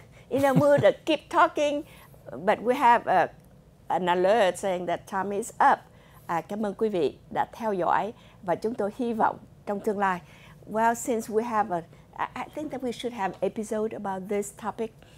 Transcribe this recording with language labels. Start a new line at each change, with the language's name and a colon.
English: In a mood to keep talking, but we have an alert saying that time is up.
Vietnamese: Cảm ơn quý vị đã theo dõi và chúng tôi hy vọng trong tương lai.
English: Well, since we have I think that we should have episode about this topic.